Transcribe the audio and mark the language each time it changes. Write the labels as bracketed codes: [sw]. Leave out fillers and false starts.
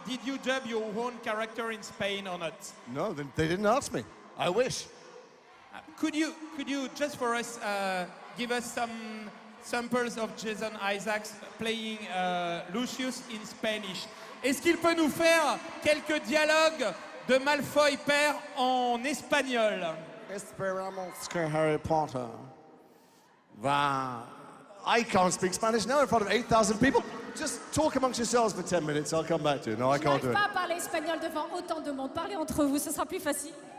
[en] Did you dub your own character in Spain or not? No, they didn't ask me. I wish. Could you just for us give us some samples of Jason Isaacs playing Lucius in Spanish? [fr] Est-ce qu'il peut nous faire quelques dialogues de Malfoy père en espagnol? [es] Esperamos que Harry Potter va. [en] I can't speak Spanish now in front of 8,000 people. Just talk amongst yourselves for 10 minutes. I'll come back to you. No, I can't do it. [fr] Je n'arrive pas à parler espagnol devant autant de monde. Parlez entre vous, ce sera plus facile.